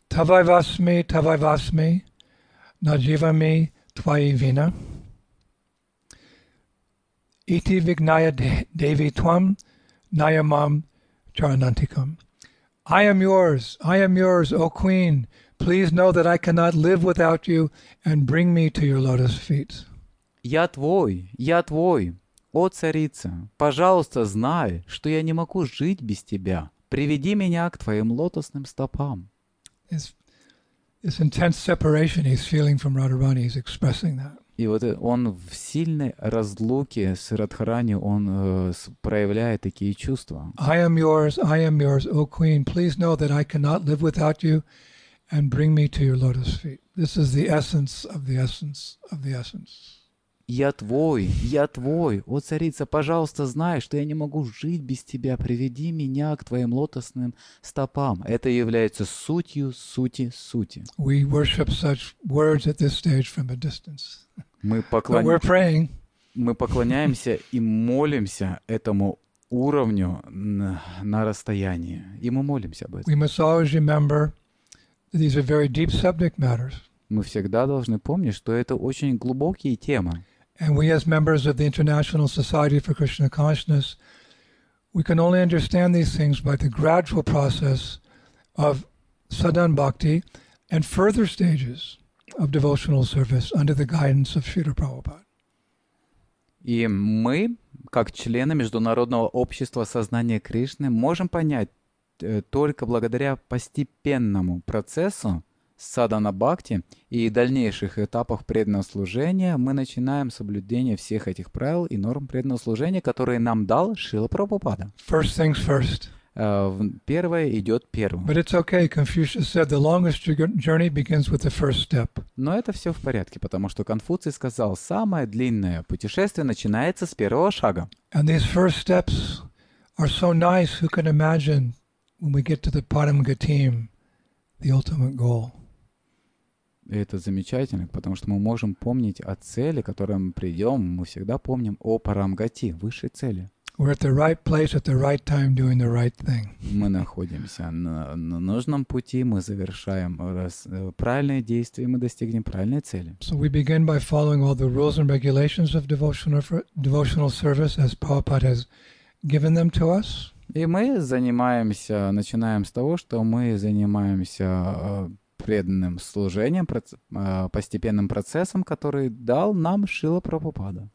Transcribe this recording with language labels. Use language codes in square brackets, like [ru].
[sa] Тавайвасми, тавайвасми, наживами твои вина. Ити вигная деви твам, наямам чаранантикам. [en] I am yours, I am yours, O Queen. Please know that I cannot live without you, and bring me to your lotus feet. [ru] Я твой, о царица. Пожалуйста, знай, что я не могу жить без тебя. Приведи меня к твоим лотосным стопам. [en] This intense separation he's feeling from Radharani, he's expressing that. [ru] И вот он в сильной разлуке с Радхарани, он проявляет такие чувства. [en] I am yours, O Queen. Please know that I cannot live without you. And bring me to your lotus feet. This is the essence of the essence of the essence. [ru] Я твой, о царица, пожалуйста, знай, что я не могу жить без тебя. Приведи меня к твоим лотосным стопам. Это является сутью сути сути. [en] We worship such words at this stage from a distance. But we're praying. [ru] Мы поклоняемся и молимся этому уровню на расстоянии. И мы молимся об этом. [en] We must always remember. These are very deep subject matters. [ru] Мы всегда должны помнить, что это очень глубокие темы. [en] And we as members of the International Society for Krishna Consciousness, we can only understand these things by the gradual process of sadhan bhakti and further stages of devotional service under the guidance of Śrīla Prabhupāda. [ru] И мы, как члены Международного общества сознания Кришны, можем понять только благодаря постепенному процессу садхана-бхакти и дальнейших этапах преданного служения мы начинаем соблюдение всех этих правил и норм преданного служения, которые нам дал Шрила Прабхупада. [en] First things first. [ru] Первое идет первым. [en] But it's okay. Confucius said the longest journey begins with the first step. [ru] Но это все в порядке, потому что Конфуций сказал, самое длинное путешествие начинается с первого шага. [en] And these first steps are so nice. Who can imagine? When we get to the Paramgatim, the ultimate goal. [ru] Это замечательно, потому что мы можем помнить о цели, к которой мы придем. Мы всегда помним о Парамгати, высшей цели. [en] We're at the right place at the right time, doing the right thing. [ru] Мы находимся на нужном пути, мы завершаем правильные действия, мы достигнем правильной цели. [en] So we begin by following all the rules and regulations of devotional service, as Prabhupada has given them to us. [ru] И мы занимаемся, начинаем с того, что мы занимаемся преданным служением, постепенным процессом, который дал нам Шрила Прабхупада.